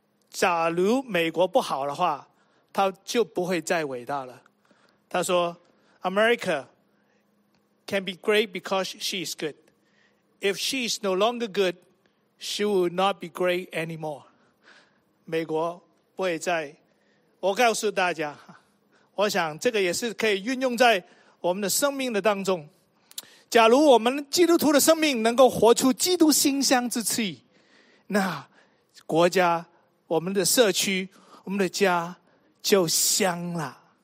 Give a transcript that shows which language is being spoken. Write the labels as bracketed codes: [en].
[zh] 假如美国不好的话，他就不会再伟大了。他说 [en] America can be great because she is good. If she is no longer good, she will not be great anymore. [zh] 美国不会再，我告诉大家，我想这个也是可以运用在我们的生命的当中。假如我们基督徒的生命能够活出基督馨香之气，那国家、我们的社区、我们的家就香了。